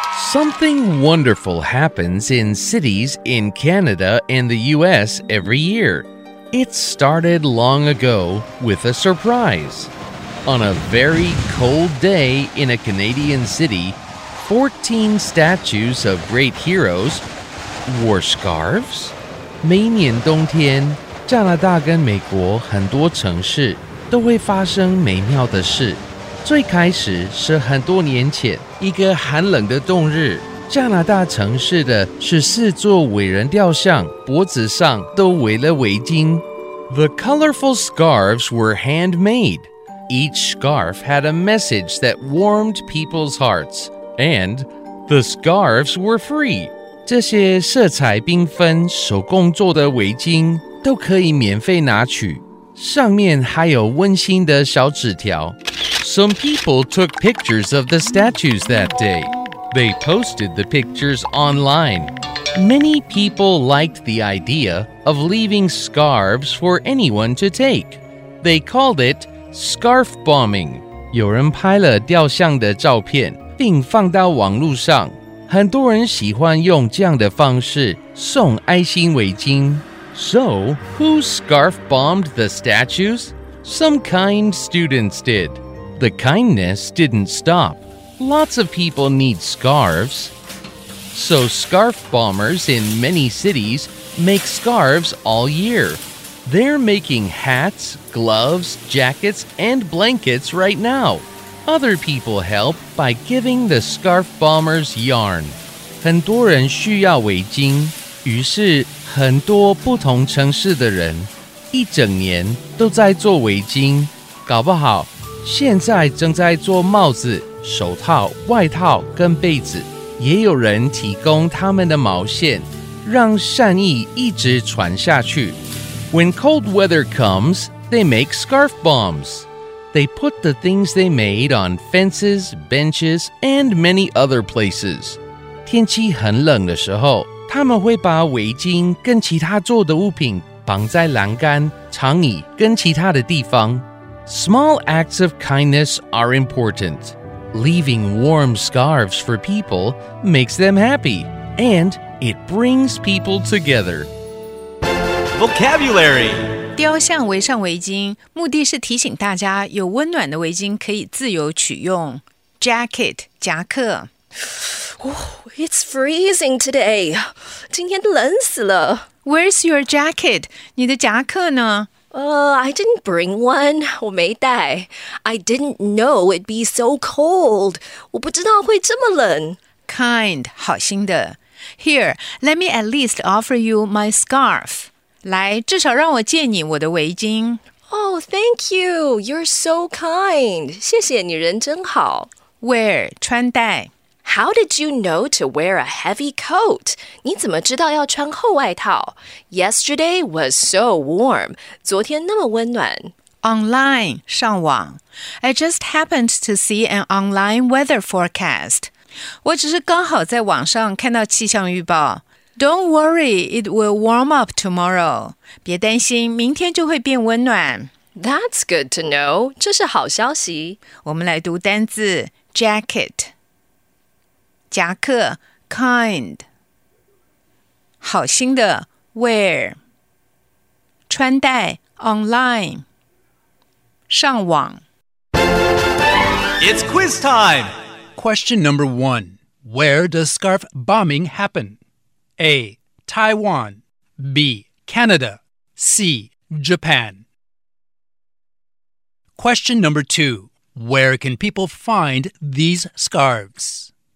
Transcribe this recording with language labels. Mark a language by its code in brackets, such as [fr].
[en] Something wonderful happens in cities in Canada and the US every year. It started long ago with a surprise. On a very cold day in a Canadian city, 14 statues of great heroes wore scarves. [zh] 每年冬天，加拿大跟美国很多城市都会发生美妙的事。最开始是很多年前，一个寒冷的冬日，加拿大城市的14座伟人雕像脖子上都围了围巾。 [en] The colorful scarves were handmade. Each scarf had a message that warmed people's hearts. And the scarves were free. [zh] 这些色彩缤纷、手工做的围巾都可以免费拿取。上面还有温馨的小纸条。 [en] Some people took pictures of the statues that day. They posted the pictures online. Many people liked the idea of leaving scarves for anyone to take. They called it scarf bombing. [zh] 有人拍了雕像的照片并放到网络上。很多人喜欢用这样的方式送爱心围巾。 [en] So, who scarf bombed the statues? Some kind students did. The kindness didn't stop. Lots of people need scarves. So scarf bombers in many cities make scarves all year. They're making hats, gloves, jackets, and blankets right now. Other people help by giving the scarf bombers yarn. [zh] 很多人需要围巾，于是很多不同城市的人一整年都在做围巾，搞不好现在正在做帽子、手套、外套跟被子，也有人提供他们的毛线，让善意一直传下去。 [en] When cold weather comes, they make scarf bombs. They put the things they made on fences, benches, and many other places. [zh] 天气很冷的时候，他们会把围巾跟其他做的物品绑在栏杆、长椅跟其他的地方。 [en] Small acts of kindness are important. Leaving warm scarves for people makes them happy, and it brings people together. Vocabulary. [zh] 雕像围上围巾，目的是提醒大家有温暖的围巾可以自由取用。 [en] Jacket, [zh] 夹克。 [en] It's freezing today. [zh] 今天冷死了。 [en] Where's your jacket? [zh] 你的夹克呢？ [en] I didn't bring one. [zh] 我没带。 [en] I didn't know it'd be so cold. [zh] 我不知道会这么冷。 [en] Kind, [zh] 好心的。 [en] Here, let me at least offer you my scarf. [zh] 来，至少让我借你我的围巾。 [en] Oh, thank you. You're so kind. [zh] 谢谢你，人真好。 [en] Where, [zh] 穿戴。 [en] How did you know to wear a heavy coat? [zh] 你怎么知道要穿厚外套? [en] Yesterday was so warm. [zh] 昨天那么温暖。 [en] Online, [zh] 上网。 [en] I just happened to see an online weather forecast. [zh] 我只是刚好在网上看到气象预报。 [en] Don't worry, it will warm up tomorrow. [zh] 别担心，明天就会变温暖。 [en] That's good to know. [zh] 这是好消息。我们来读单字 [en] jacket. [zh] 夹克 [en] kind [zh] 好心的 [en] wear [zh] 穿戴 [en] online [zh] 上网 [en] It's quiz time! Question number one. Where does scarf bombing happen? A. Taiwan B. Canada C. Japan Question number two. Where can people find these scarves?